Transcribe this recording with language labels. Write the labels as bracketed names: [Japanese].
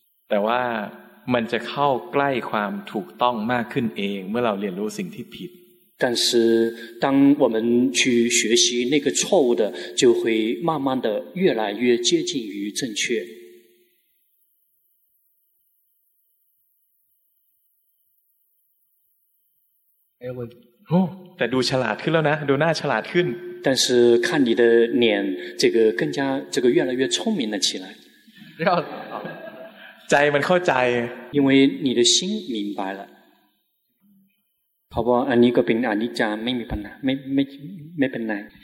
[Thai] แต่ว่ามันจะเข้าใกล้ความถูกต้องมากขึ้นเองเมื่อเราเรียนรู้สิ่งที่ผิด [Chinese] 但是当我们去学习那个错误的就会慢慢的越来越接近于正确还有问题哦但 [Thai] ดูฉลาดขึ้นแล้วนะดูหน้าฉลาดขึ้น [Chinese] 但是看你的脸这个更加这个越来越聪明了起来要 [Thai] ใจมันเข้าใจ [Chinese] 因为你的心明白了好不好 [Thai] อันนี้ก็เป็นอนิจจังไม่มีปัญหาไม่เป็นไร